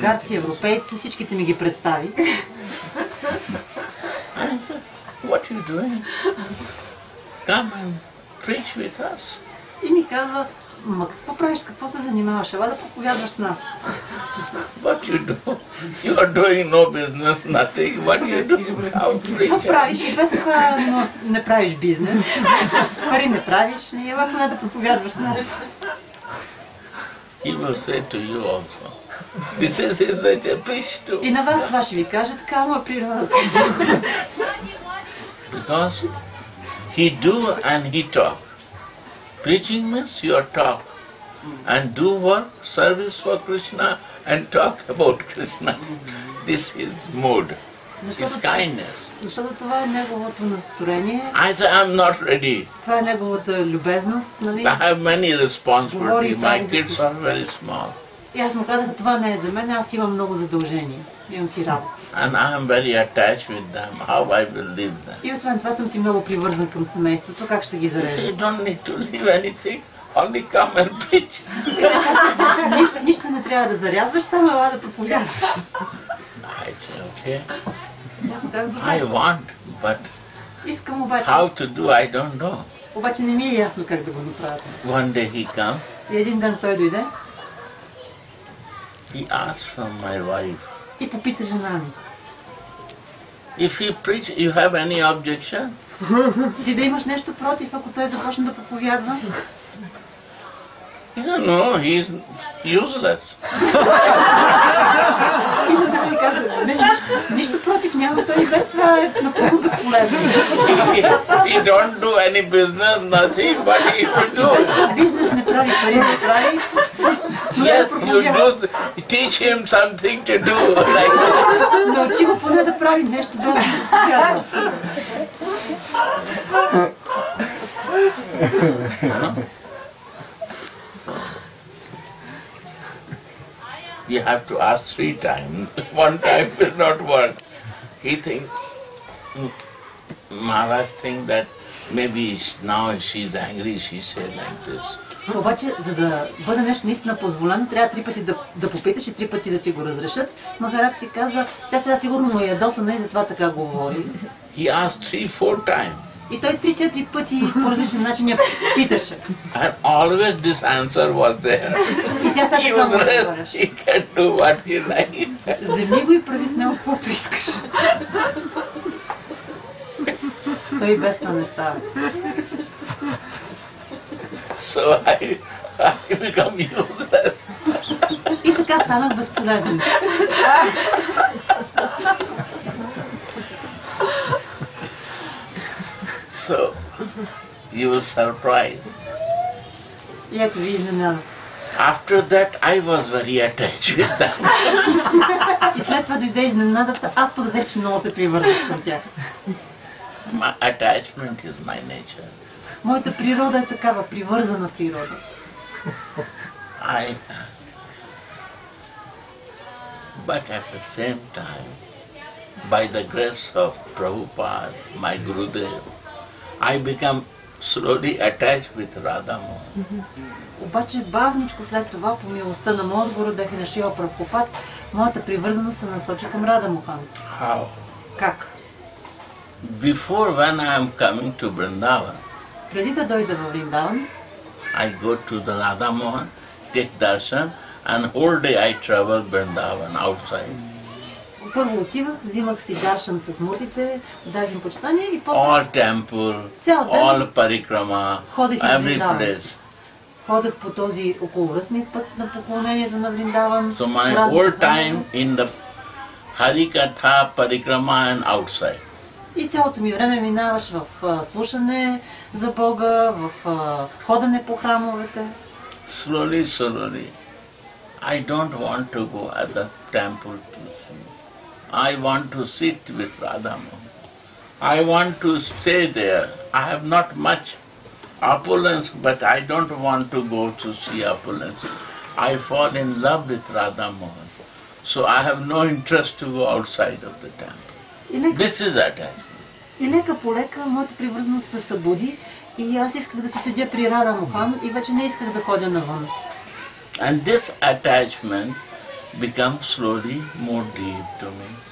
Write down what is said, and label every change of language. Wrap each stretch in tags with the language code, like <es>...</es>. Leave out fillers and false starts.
<bg>Гарци, европейци, всичките ми ги представи.</bg> <en>And I said, what are you doing? Come and preach with us.</en> <bg>И ми каза, ма какво правиш, какво се занимаваш? Ела да проповядваш с нас.</bg> <en>What you do? You are doing no business, nothing. What you do?</en> <bg>Какво правиш? И без това не правиш бизнес. Пари не правиш, и ела поне да проповядваш с нас.</bg> <en>He will say to you also. This is his nature, please too.</en> <bg>И на вас това ще ви каже, така му е природата.</bg> <en>Because he do and he talk. Preaching means your talk and do work, service for Krishna and talk about Krishna. This is mood, his kindness.</en> <bg>Защото това е неговото настроение.</bg> <en>I say, I'm not ready.</en> <bg>Това е неговата любезност, нали?</bg> <en>I have many responsibilities. My kids are very small.</en> <bg>И аз му казах, това не е за мен, аз имам много задължения. Имам си работа.</bg> <en>And I am very attached with them. How I will leave them?</en> <bg>И освен това съм си много привързан към семейството. Как ще ги зарежа?</bg> <en>You don't need to leave anything. Only come and preach.</en> <bg>Нищо не трябва да зарязваш, само ела да проповядваш.</bg> <en>I say, okay. I want, but</en> <bg>искам обаче.</bg> <en>How to do, I don't know.</en> <bg>Обаче не ми е ясно как да го направя.</bg> <en>One day he come.</en> <bg>И един ден той дойде.</bg> <en>He asked from my wife.</en> <bg>И попита жена ми.</bg> <en>If he preach, you have any objection?</en> <bg>Ти да имаш нещо против, ако той започне да проповядва?</bg> <en>He said, no, he is useless.</en> <bg>И жена ми каза, не, нищо против няма, той без това е напълно безполезен.</bg> <en>He don't do any business, nothing, but he will do.</en> <bg>Бизнес не прави, пари не прави.</bg> <en>Yes, you do. Teach him something to do. Like.</en> <bg>Научи го поне да прави нещо добро.</bg> <en>You have to ask three times. One time will not work. He think, Maharaj think that maybe now she is angry. She say like this.</en> <bg>Но обаче, за да бъде нещо наистина позволено, трябва три пъти да попиташ и три пъти да ти го разрешат. Махарак си каза, тя сега сигурно му е ядосана и затова така говори.</bg> <en>He asked 3-4 times.</en> <bg>И той 3-4 пъти по различен начин я питаше.</bg> <en>And always this answer was there.</en> <bg>И тя сега така му разбираш.</bg> <en>He can do what he like.</en> <bg>Вземи го и прави с него каквото искаш. Той без това не става.</bg> <en>So I become useless.</en> <bg>И така станах безполезен.</bg> <en>So you were surprised.</en> <bg>И ето ви изненада.</bg> <en>After that I was very attached with them.</en> <bg>И след това дойде изненадата, аз подозрях, че много се привързах към тях.</bg> <en>My attachment is my nature.</en> <bg>Моята природа е такава, привързана природа.</bg> <en>But at the same time, by the grace of Prabhupada, my Gurudev, I become slowly attached with Radha Mohan.</en> <bg>Обаче бавничко след това, по милостта на моят Гурудев и на Шрила Прабхупад, моята привързаност се насочи към Радха Мохан.</bg> <en>How?</en> <bg>Как?</bg> <en>Before when I am coming to Vrindavan,</en> <bg>преди да дойда в Вриндаван,</bg> <en>I go to the Radha Mohan, take darshan, and whole day I travel Vrindavan outside.</en> <bg>Първо отивах, взимах си даршан с муртите, дадох им почитание и после...</bg> <en>All temple,</en> <bg>цял ден,</bg> <en>all parikrama, every place.</en> <bg>Ходех по този околовръстник път на поклонението на Вриндаван.</bg> <en>So my whole time in the Harikatha, parikrama and outside.</en> <bg>И цялото ми време минаваш в слушане за Бога, в ходене по храмовете.</bg> <en>Slowly, slowly. I don't want to go at the temple to sleep. I want to sit with Radha Mohan. I want to stay there. I have not much opulence, but I don't want to go to see opulence. I fall in love with Radha Mohan. So I have no interest to go outside of the temple.</en> <bg>Лека,</bg> <en>this is attachment.</en> <bg>И лека по лека моята привързаност се събуди и аз исках да си седя при Радха Мохан и вече не исках да ходя навън.</bg> <en>And this attachment becomes slowly more deep to me.</en>